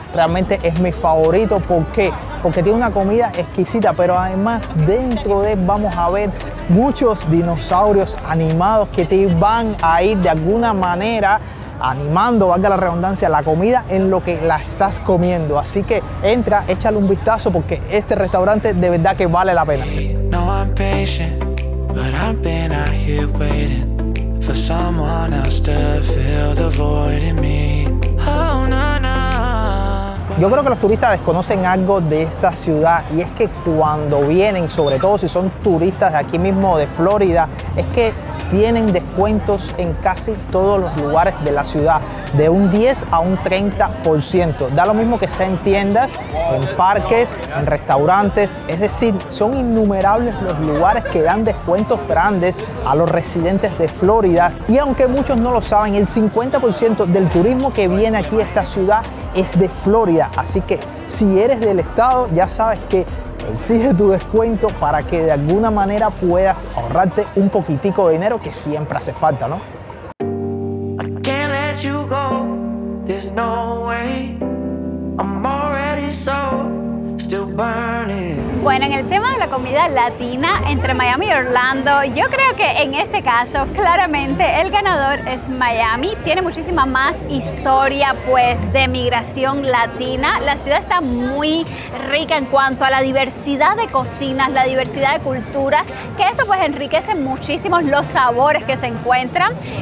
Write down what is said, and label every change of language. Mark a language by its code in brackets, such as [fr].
[es] Realmente es mi favorito. ¿Por qué? Porque tiene una comida exquisita, pero además dentro de él vamos a ver muchos dinosaurios animados que te van a ir de alguna manera animando, valga la redundancia, la comida en lo que la estás comiendo. Así que entra, échale un vistazo porque este restaurante de verdad que vale la pena. [en] No, I'm patient. But I've been out here waiting for someone else to fill the void in me. Oh, no, no. [es] Yo creo que los turistas desconocen algo de esta ciudad y es que cuando vienen, sobre todo si son turistas de aquí mismo, de Florida, es que tienen descuentos en casi todos los lugares de la ciudad, de un 10 a un 30%. Da lo mismo que sea en tiendas, en parques, en restaurantes. Es decir, son innumerables los lugares que dan descuentos grandes a los residentes de Florida. Y aunque muchos no lo saben, el 50% del turismo que viene aquí a esta ciudad es de Florida, así que si eres del estado, ya sabes que exige tu descuento para que de alguna manera puedas ahorrarte un poquitico de dinero que siempre hace falta, ¿no? [en] I can't let you go, there's no way. I'm already so still burning. [es] Bueno, en el tema de la comida latina entre Miami y Orlando, yo creo que en este caso, claramente, el ganador es Miami. Tiene muchísima más historia, pues, de migración latina. La ciudad está muy rica en cuanto a la diversidad de cocinas, la diversidad de culturas, que eso, pues, enriquece muchísimo los sabores que se encuentran.